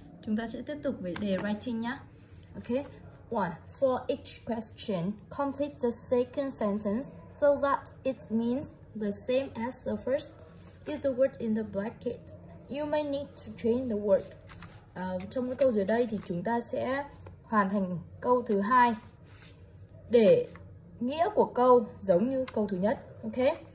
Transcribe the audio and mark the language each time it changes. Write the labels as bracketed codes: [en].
[vi] Chúng ta sẽ tiếp tục với đề writing nhá. [en] Ok. One, for each question, complete the second sentence so that it means the same as the first. Is the word in the bracket? You may need to change the word. [vi] Trong cái câu dưới đây thì chúng ta sẽ hoàn thành câu thứ hai để nghĩa của câu giống như câu thứ nhất, ok?